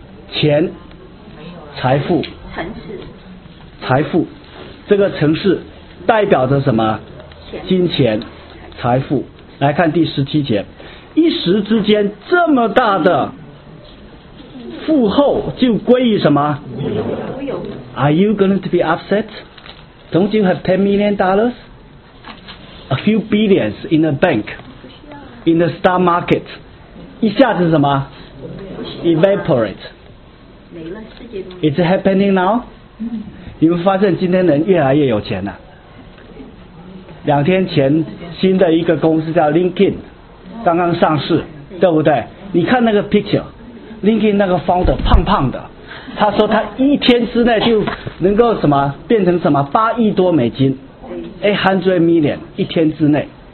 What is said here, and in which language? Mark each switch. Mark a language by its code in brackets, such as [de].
[zh] 钱，财富，城市，财富，这个城市代表着什么？金钱，财富。来看第十七节，一时之间这么大的富厚就归于什么？ [en] Are you going to be upset? Don't you have $10 million? A few billions in a bank, in the stock market, [zh] 一下子什么？ [en] Evaporate. It's happening now. [zh] 你们发现今天人越来越有钱了。两天前新的一个公司叫 LinkedIn 刚刚上市，对不对？你看那个 picture，LinkedIn 那个 founder 胖胖的，他说他一天之内就能够什么变成什么$8亿多，$100 million 一天之内。